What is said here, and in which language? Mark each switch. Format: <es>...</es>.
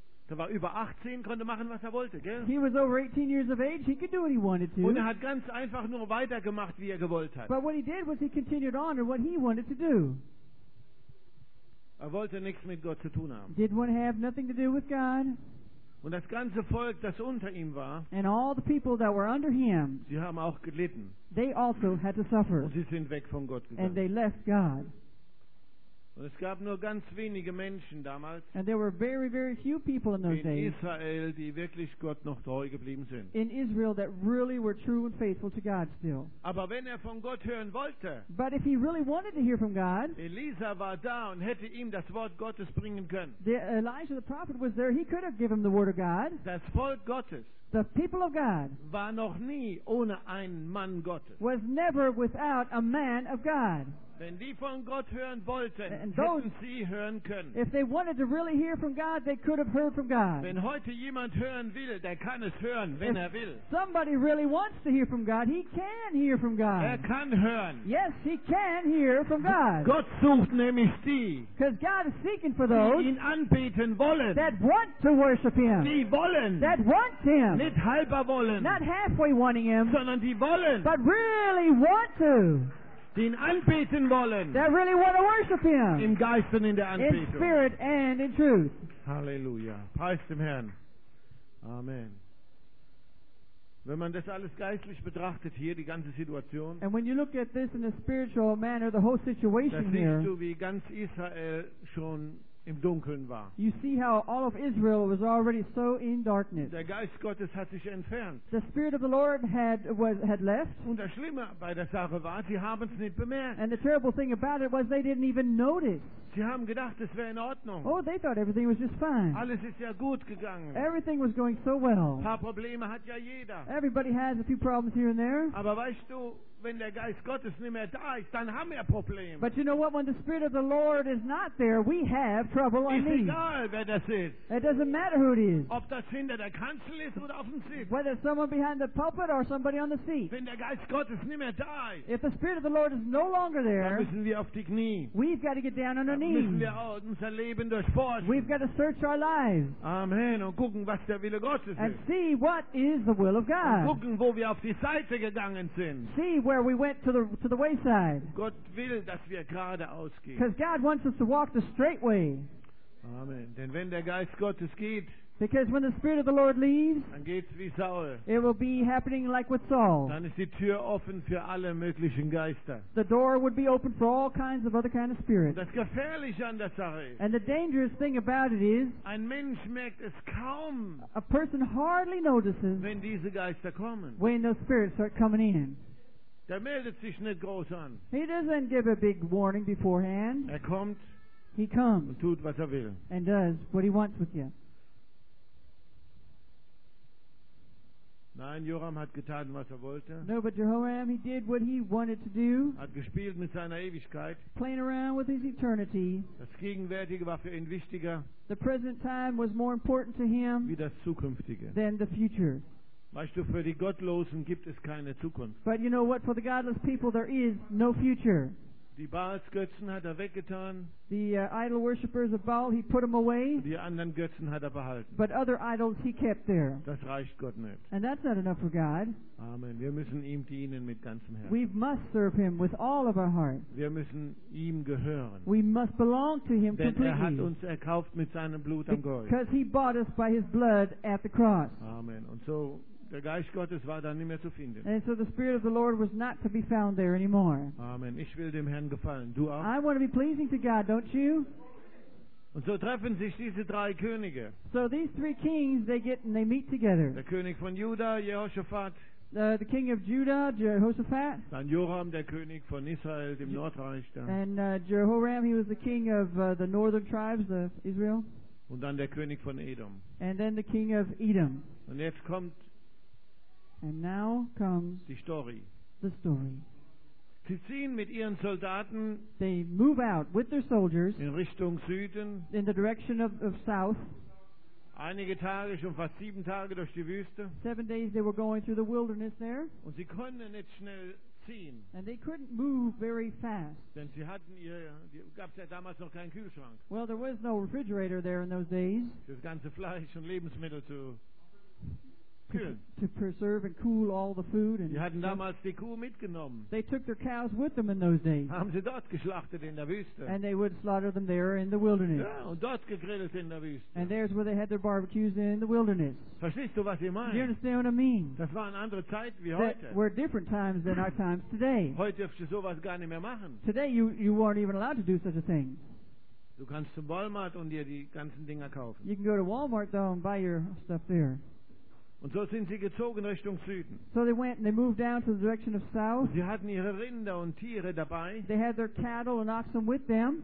<de>Er war über 18, konnte machen, was er wollte, gell?</de> <en>He was over 18 years of age. He could do what he wanted to.</en> <de>Und er hat ganz einfach nur weitergemacht, wie er gewollt hat.</de> <en>But what he did was he continued on in what he wanted to do.</en> <de>Er wollte nichts mit Gott zu tun haben.</de> <en>Didn't want to have nothing to do with God.</en> <de>Und das ganze Volk, das unter ihm war,</de> <en>and all the people that were under him,</en> <de>sie haben auch gelitten.</de> <en>They also had to suffer.</en> <de>Und sie sind weg von Gott gegangen.</de> <en>And they left God.</en> <de>Und es gab nur ganz wenige Menschen damals,</de> <en>and there were very, very few people in those</en> <de>in</de> <en>days,</en> <de>Israel, die wirklich Gott noch treu geblieben sind.</de> <en>In Israel that really were true and faithful to God still.</en> <de>Aber wenn er von Gott hören wollte,</de> <en>but if he really wanted to hear from God,</en> <de>Elisa war da und hätte ihm das Wort Gottes bringen können.</de> <en>The Elijah the prophet was there, he could have given the word of God.</en> <de>Das Volk Gottes,</de> <en>the people of God,</en> <de>war noch nie ohne einen Mann Gottes.</de> <en>Was never without a man of God.</en> <de>Wenn die von Gott hören wollten,</de> <en>and</en> <de>hätten those, sie hören können.</de> <en>If they wanted to really hear from God, they could have heard from God.</en> <de>Wenn heute jemand hören will, der kann es hören, wenn</de> <en>if</en> <de>er will.</de> <en>Somebody really wants to hear from God, he can hear from God.</en> <de>Er kann hören.</de> <en>Yes, he can hear from God.</en> <de>Gott sucht nämlich die.</de> <en>Because God is seeking for those</en> <de>die ihn anbeten wollen.</de> <en>That want to worship him.</en> <de>Die wollen.</de> <en>That want him.</en> <de>Nicht halber wollen.</de> <en>Not halfway wanting him.</en> <de>Sondern die wollen.</de> <en>But really want to.</en> <de>Die ihn anbeten wollen.</de> <en>They really want to worship him.</en> <de>Im Geist und in der Anbetung.</de> <en>In spirit and in truth.</en> <de>Halleluja. Preist dem Herrn. Amen. Wenn man das alles geistlich betrachtet hier, die ganze Situation,</de> <en>and when you look at this in a spiritual manner, the whole situation</en> <de>da</de> <en>here,</en> <de>siehst du, wie ganz Israel schon im Dunkeln war.</de> <en>You see how all of Israel was already so in darkness.</en> <de>Der Geist Gottes hat sich entfernt.</de> <en>The Spirit of the Lord had left.</en> <de>Und das Schlimme bei der Sache war, sie haben es nicht bemerkt.</de> <en>And the terrible thing about it was they didn't even notice.</en> <de>Sie haben gedacht, es wäre in Ordnung.</de> <en>Oh, they thought everything was just fine.</en> <de>Alles ist ja gut gegangen.</de> <en>Everything was going so well.</en> <de>Ein paar Probleme hat ja jeder.</de> <en>Everybody has a few problems here and there.</en> <de>Aber weißt du, wenn der Geist Gottes nicht mehr da ist, dann haben wir Probleme.</de> <en>But you know what? When the Spirit of the Lord is not there, we have trouble on knees.</en> <de>Ist egal, wer das ist.</de> <en>It doesn't matter who it is.</en> <de>Ob das hinter der Kanzel ist oder auf dem Sitz.</de> <en>Whether it's someone behind the pulpit or somebody on the seat.</en> <de>Wenn der Geist Gottes nicht mehr da ist,</de> <en>if the Spirit of the Lord is no longer there,</en> <de>dann müssen wir auf die Knie.</de> <en>We've got to get down on</en> <de>dann</de> <en>our knees.</en> <de>Müssen wir unser Leben durchforschen.</de> <en>We've got to search our lives.</en> <de>Amen. Und gucken, was der Wille Gottes ist.</de> <en>And see what is the will of God.</en> <de>Und gucken, wo wir auf die Seite gegangen sind.</de> <en>See where we went to the wayside.</en> <de>Gott will, dass wir geradeaus gehen.</de> <en>Because God wants us to walk the straight way.</en> <de>Amen. Denn wenn der Geist Gottes geht,</de> <en>because when the Spirit of the Lord leaves,</en> <de>dann geht's wie Saul.</de> <en>It will be happening like with Saul.</en> <de>Dann ist die Tür offen für alle möglichen Geister.</de> <en>The door would be open for all kinds of other kind of spirits.</en> <de>Das Gefährliche an der Sache ist,</de> <en>and the dangerous thing about it is,</en> <de>ein Mensch merkt es kaum,</de> <en>a person hardly notices,</en> <de>wenn diese Geister kommen,</de> <en>when those spirits start coming in.</en> <de>Der meldet sich nicht groß an.</de> <en>He doesn't give a big warning beforehand.</en> <de>Er kommt.</de> <en>He comes.</en> <de>Und tut, was er will.</de> <en>And does what he wants with you.</en> <de>Nein, Joram hat getan, was er wollte.</de> <en>No, but Jehoram, he did what he wanted to do.</en> <de>Hat gespielt mit seiner Ewigkeit.</de> <en>Playing around with his eternity.</en> <de>Das Gegenwärtige war für ihn wichtiger.</de> <en>The present time was more important to him</en> <de>wie das Zukünftige.</de> <en>Than the future.</en> <de>Weißt du, für die Gottlosen gibt es keine Zukunft.</de> <en>But you know what? For the godless people, there is no future.</en> <de>Die Baalsgötzen hat weggetan.</de> <en>The idol worshippers of Baal, he put them away.</en> <de>Die anderen Götzen hat behalten.</de> <en>But other idols he kept there.</en> <de>Das reicht Gott nicht.</de> <en>And that's not enough for God.</en> <de>Amen. Wir müssen ihm dienen mit ganzem Herzen.</de> <en>We must serve him with all of our heart.</en> <de>Wir müssen ihm gehören.</de> <en>We must belong to him completely.</en> <de>Denn er hat uns erkauft mit seinem Blut am Kreuz.</de> <en>Because he bought us by his blood at the cross. Amen.</en> <de>Und so der Geist Gottes war dann nicht mehr zu finden.</de> <en>And so the Spirit of the Lord was not to be found there anymore.</en> <de>Amen. Ich will dem Herrn gefallen. Du auch?</de> <en>I want to be pleasing to God, don't you?</en> <de>Und so treffen sich diese drei Könige.</de> <en>So these three kings, they get and they meet together.</en> <de>Der König von Juda, Jehoshaphat.</de> <en>The king of Judah, Jehoshaphat.</en> <de>Dann Joram, der König von Israel, dem Nordreich. Dann.</de> <en>And Jehoram, he was the king of the northern tribes of Israel.</en> <de>Und dann der König von Edom.</de> <en>And then the king of Edom.</en> <de>Und jetzt kommt.</de> <en>And now comes</en> <de>die Story.</de> <en>The story.</en> <de>Sie ziehen mit ihren Soldaten,</de> <en>they move out with their soldiers</en> <de>in Richtung Süden,</de> <en>in the direction of south.</en> <de>Einige Tage, schon fast 7 Tage durch die Wüste.</de> <en>7 days they were going through the wilderness there.</en> <de>Und sie konnten nicht schnell ziehen.</de> <en>And they couldn't move very fast.</en> <de>Denn sie hatten gab's ja damals noch keinen Kühlschrank.</de> <en>Well, there was no refrigerator there in those days.</en> <de>Das ganze Fleisch und Lebensmittel zu</de> <en>to preserve and cool all the food. And</en> <de>sie hatten damals die Kuh mitgenommen.</de> <en>They took their cows with them in those days.</en> <de>Haben sie dort geschlachtet in der Wüste.</de> <en>And they would slaughter them there in the wilderness.</en> <de>Ja, und dort gegrillt in der Wüste.</de> <en>And there's where they had their barbecues in the wilderness.</en> <de>Verstehst du, was ich meine?</de> <en>Do you understand what I mean?</en> <de>Das war eine andere Zeit wie</de> <en>that</en> <de>heute.</de> <en>That were different times than our times today.</en> <de>Heute darfst du sowas gar nicht mehr machen.</de> <en>Today you weren't even allowed to do such a thing.</en> <de>Du kannst zum Walmart und dir die ganzen Dinger kaufen.</de> <en>You can go to Walmart though and buy your stuff there.</en> <de>Und so sind sie gezogen Richtung Süden.</de> <en>So they went and they moved down to the direction of south.</en> <de>Sie hatten ihre Rinder und Tiere dabei.</de> <en>They had their cattle and oxen with them.</en>